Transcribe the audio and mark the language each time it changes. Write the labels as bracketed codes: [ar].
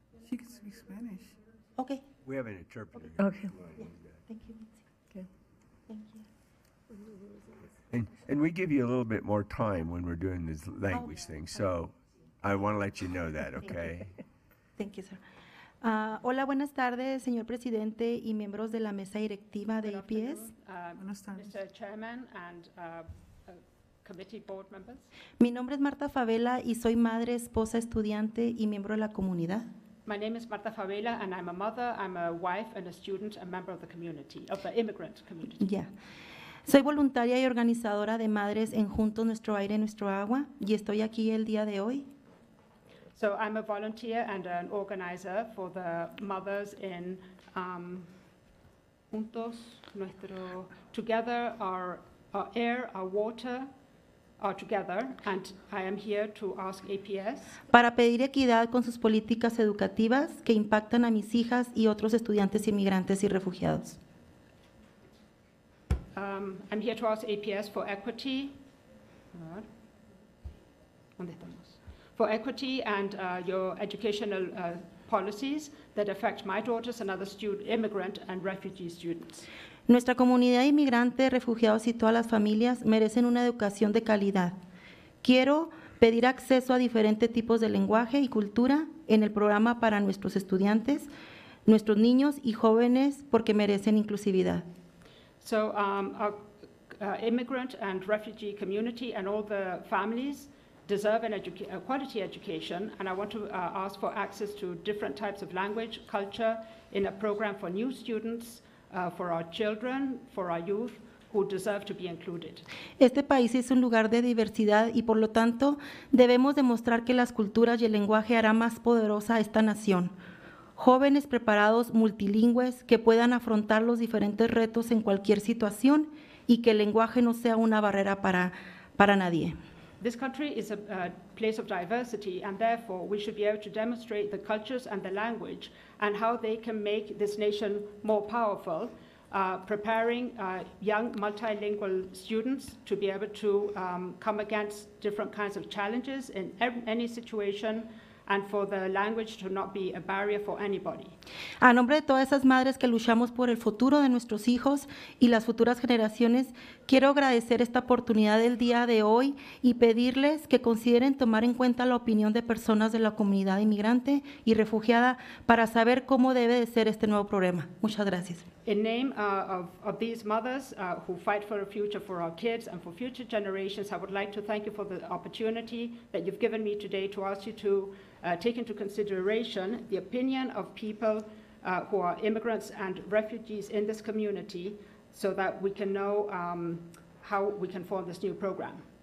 [en] She can speak Spanish. Okay. We have an interpreter. Okay. Okay. Yeah. Thank you. Okay. Thank you. And we give you a little bit more time when we're doing this language thing. So I want to let you know that, okay? Thank you, sir. [es] Hola, buenas tardes, señor presidente y miembros de la mesa directiva de EPS. [en] Mr. Chairman and committee board members. [es] Mi nombre es Marta Favela y soy madre, esposa, estudiante y miembro de la comunidad. [en] My name is Marta Favela and I'm a mother, I'm a wife and a student, a member of the community, of the immigrant community. Yeah. [es] Soy voluntaria y organizadora de Madres en Juntos Nuestro Aire, Nuestro Agua, y estoy aquí el día de hoy. [en] So I'm a volunteer and an organizer for the Mothers in Juntos Nuestro, Together our Air, Our Water, Our Together, and I am here to ask APS. [es] Para pedir equidad con sus políticas educativas que impactan a mis hijas y otros estudiantes inmigrantes y refugiados. [en] I'm here to ask APS for equity. For equity and your educational policies that affect my daughters and other immigrant and refugee students. [es] Nuestra comunidad inmigrante, refugiados y todas las familias merecen una educación de calidad. Quiero pedir acceso a diferentes tipos de lenguaje y cultura en el programa para nuestros estudiantes, nuestros niños y jóvenes porque merecen inclusividad. [en] So our immigrant and refugee community and all the families deserve a quality education, and I want to ask for access to different types of language, culture, in a program for new students, for our children, for our youth, who deserve to be included. [es] Este país es un lugar de diversidad, y por lo tanto, debemos demostrar que las culturas y el lenguaje hará más poderosa esta nación. Jóvenes preparados multilingües que puedan afrontar los diferentes retos en cualquier situación y que el lenguaje no sea una barrera para nadie. [en] This country is a place of diversity, and therefore we should be able to demonstrate the cultures and the language and how they can make this nation more powerful, preparing young multilingual students to be able to come against different kinds of challenges in any situation, and for the language to not be a barrier for anybody. [es] A nombre de todas esas madres que luchamos por el futuro de nuestros hijos y las futuras generaciones, quiero agradecer esta oportunidad del día de hoy y pedirles que consideren tomar en cuenta la opinión de personas de la comunidad inmigrante y refugiada para saber cómo debe de ser este nuevo programa. Muchas gracias. [en] In name of these mothers who fight for a future for our kids and for future generations, I would like to thank you for the opportunity that you've given me today to ask you to take into consideration the opinion of people who are immigrants and refugees in this community so that we can know how we can form this new program.